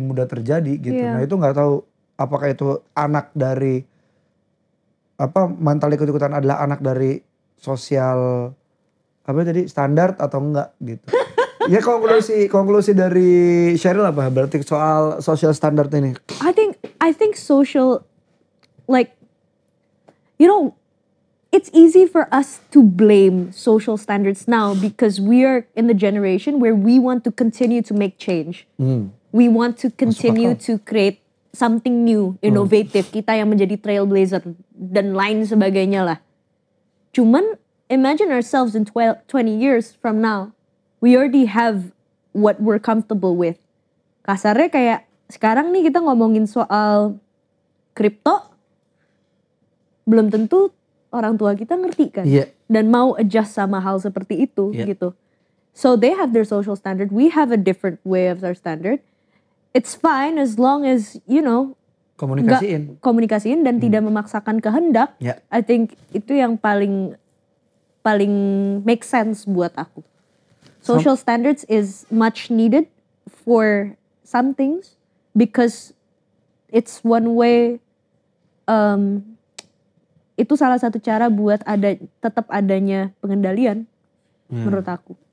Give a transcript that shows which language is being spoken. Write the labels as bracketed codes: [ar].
[id] mudah terjadi gitu. Yeah. Nah itu nggak tahu apakah itu anak dari apa, mental ikut-ikutan adalah anak dari sosial apa tadi, standar atau enggak gitu. Ya konklusi dari Cheryl apa? Berarti soal social standard ini. [en] I think social, like, you know, it's easy for us to blame social standards now because we are in the generation where we want to continue to make change. We want to continue to create something new, innovative. [id] Kita yang menjadi trailblazer dan lain sebagainya lah. Cuman [en] imagine ourselves in 20 years from now. We already have what we're comfortable with. [id] Kasarnya kayak sekarang nih kita ngomongin soal kripto, belum tentu orang tua kita ngerti kan. [en] Yeah. [id] Dan mau adjust sama hal seperti itu. Yeah. Gitu. [en] So they have their social standard. We have a different way of our standard. It's fine as long as, you know, [id] Komunikasiin dan tidak memaksakan kehendak. [en] Yeah. I think [id] itu yang paling [en] make sense [id] buat aku. [en] Social standards is much needed for some things because it's one way, [id] itu salah satu cara buat ada tetap adanya pengendalian menurut aku.